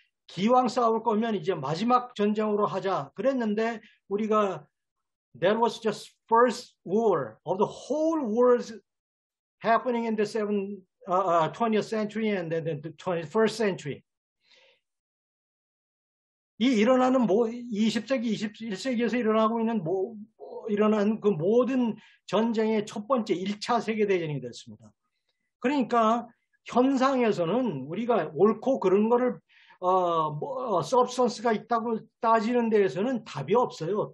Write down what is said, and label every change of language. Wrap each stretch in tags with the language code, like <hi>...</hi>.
<ko>기왕 싸울 거면 이제 마지막 전쟁으로 하자. 그랬는데 우리가</ko> <en>That was just first war of the whole wars happening in the 20th century and then the 21st century.</en> <ko>이 일어나는 20세기, 21세기에서 일어나고 있는 일어난 그 모든 전쟁의 첫 번째 1차 세계대전이 됐습니다. 그러니까 현상에서는 우리가 옳고 그런 거를 서브스턴스가 있다고 따지는 데에서는 답이 없어요.</ko>